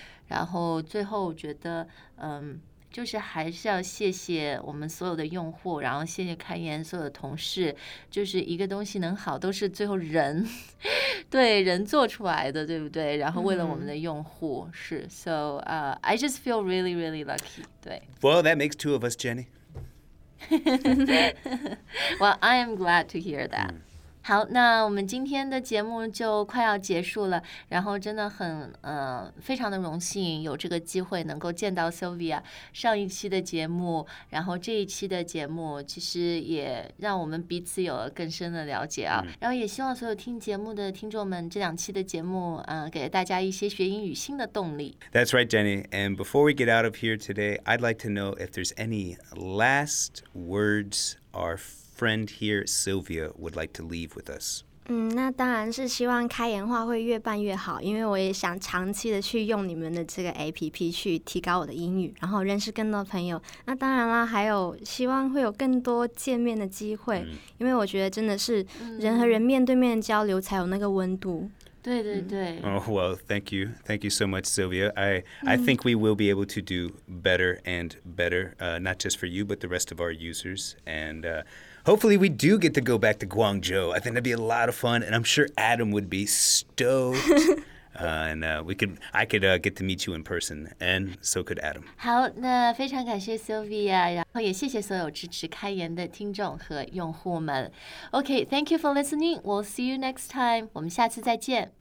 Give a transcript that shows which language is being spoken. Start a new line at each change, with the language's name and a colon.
Chinese: 然后最后我觉得就是还是要谢谢我们所有的用户，然后谢谢开源所有的同事，就是一个东西能好都是最后人对人做出来的，对不对？然后为了我们的用户、mm-hmm.
English: 是 So I just feel really really lucky.
Chinese: 对
English: Well that makes two of us Jenny. Well I am glad to hear that、mm.
Chinese: 好，那我们今天的节目就快要结束了，然后真的很非常的荣幸有这个机会能够见到 Sylvia 上一期的节目，然后这一期的节目其实也让我们彼此有了更深的了解啊、嗯、然后也希望所有听节目的听众们这两期的节目给大家一些学英语新的动力。
English: That's right Jenny, and before we get out of here today I'd like to know if there's any last words or friend here, Sylvia, would like to leave with us.
Chinese: 那当然是希望开言话会越办越好，因为我也想长期的去用你们的这个 APP 去提高我的英语，然后认识更多朋友。那当然啦，还有希望会有更多见面的机会、嗯、因为我觉得真的是人和人面对面交流才有那个温度。对对对。
English: Oh, well, thank you. Thank you so much, Sylvia. I think we will be able to do better and better, not just for you, but the rest of our users. Hopefully we do get to go back to Guangzhou. I think that'd be a lot of fun, and I'm sure Adam would be stoked. I could get to meet you in person, and so could Adam.
Chinese: 好，那非常感谢 Sylvia， 然后也谢谢所有支持开言的听众和用户们。
English: Okay, thank you for listening. We'll see you next time.
Chinese: 我们下次再见。